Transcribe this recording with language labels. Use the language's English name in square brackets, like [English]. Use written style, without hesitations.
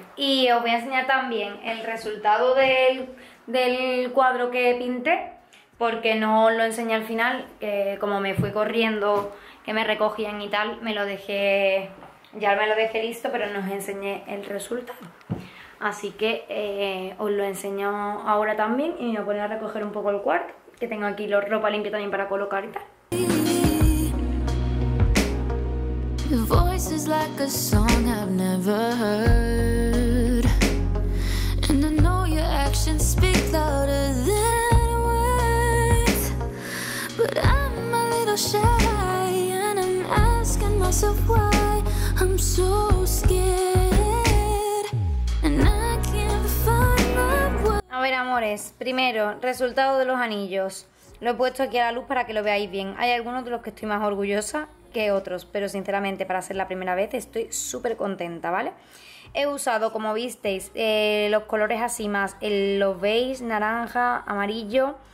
[Spanish] Y os voy a enseñar también el resultado del cuadro que pinté, porque no lo enseñé al final, que como me fui corriendo, que me recogían y tal, me lo dejé listo, pero no os enseñé el resultado. Así que os lo enseño ahora también y me voy a poner a recoger un poco el cuarto, que tengo aquí la ropa limpia también para colocar y tal. [English] Voices like a song I've never heard, and I know your actions speak louder than words. But I'm a little shy, and I'm asking myself why I'm so scared, and I can't find my way. [Spanish] A ver, amores, primero, resultado de los anillos. Lo he puesto aquí a la luz para que lo veáis bien. Hay algunos de los que estoy más orgullosa que otros, pero sinceramente para ser la primera vez estoy súper contenta, ¿vale? He usado, como visteis, los colores así más, los beige, naranja, amarillo.